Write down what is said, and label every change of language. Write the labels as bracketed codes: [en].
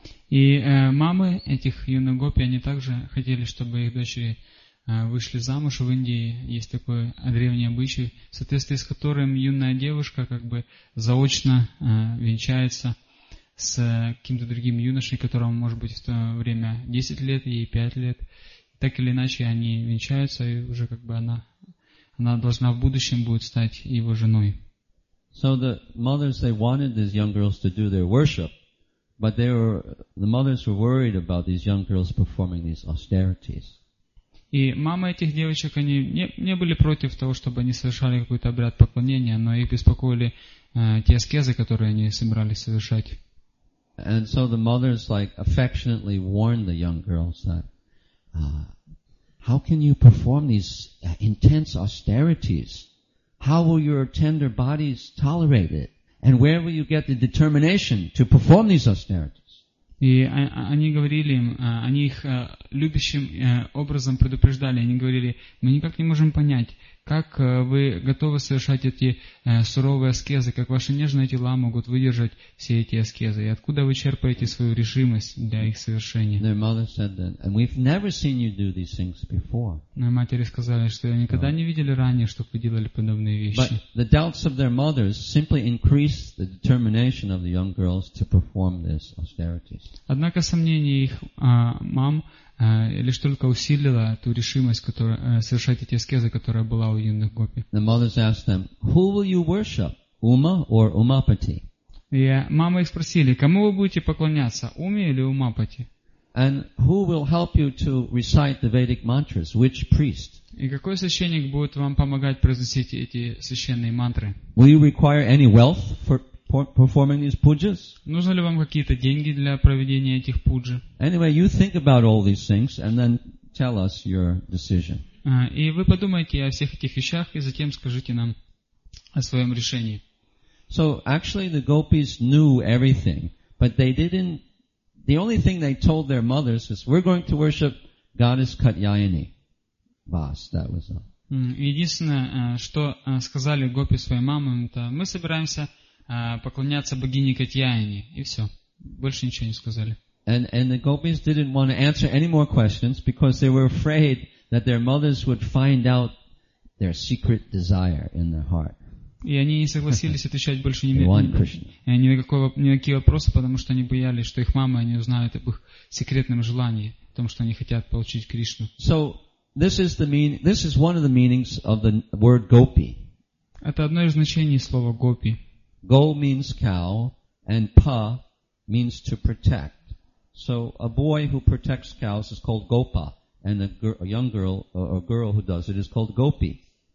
[ru] И мамы этих юных гопи, они также хотели, чтобы их дочери вышли замуж. В Индии есть такой древний обычай, в соответствии с которым юная девушка как бы заочно венчается с каким-то другим юношей, которому может быть в то время 10 лет, ей 5 лет. Так или иначе, они венчаются, и уже как бы она должна в будущем будет стать его женой. [en] So the mothers, they wanted these young girls to do their worship. But the mothers were worried about these young girls performing these austerities. [ru] И мамы этих девочек, они не были против того, чтобы они совершали какой-то обряд поклонения, но их беспокоили те аскезы, которые они собирались совершать. [en] And so the mothers like affectionately warned the young girls that how can you perform these intense austerities? How will your tender bodies tolerate it? And where will you get the determination to perform these austerities? [ru] И они говорили им, они их любящим образом предупреждали. Они говорили: мы никак не можем понять, как вы готовы совершать эти суровые аскезы, как ваши нежные тела могут выдержать все эти аскезы, и откуда вы черпаете свою решимость для их совершения? [en] Their mother said that, and we've never seen you do these things before. [ru] Но матери сказали, что никогда не видели ранее, чтобы вы делали подобные вещи. [en] But the doubts of their mothers simply increased the determination of the young girls to perform these austerities. [ru] Однако сомнения их мам лишь только усилила ту решимость, которая совершать эти аскезы, которая была у юных гопи. [en] The mothers asked them, "Who will you worship, Uma or Umapati?" [ru] И мамы их спросили, кому вы будете поклоняться, Уме или Умапати? [en] And who will help you to recite the Vedic mantras? Which priest? [ru] И какой священник будет вам помогать произносить эти священные мантры? [en] Will you require any wealth for performing these pujas? [ru] Нужны ли вам какие-то деньги для проведения этих пуджи? [en] Anyway, you think about all these things and then tell us your decision. [ru] И вы подумайте о всех этих вещах и затем скажите нам о своем решении. [en] So actually, the gopis knew everything, but they didn't. The only thing they told their mothers is, "We're going to worship goddess Katyayani." Vas, that was all. [ru] Единственное, что сказали гопи своим мамам, это мы собираемся поклоняться богине Катьяйни, и все. Больше ничего не сказали. [en] And the gopis didn't want to answer any more questions because they were afraid that their mothers would find out their secret desire in their heart. [ru] И они не согласились отвечать больше ни на какие вопросы, потому что они боялись, что их мамы они узнают об их секретном желании, о том, что они хотят получить Кришну. [en] So this is one of the meanings of the word gopi. [ru] Это одно из значений слова гопи. [en] Go means cow, and pa means to protect. So a boy who protects cows is called gopa, and a young girl who does it is called gopi.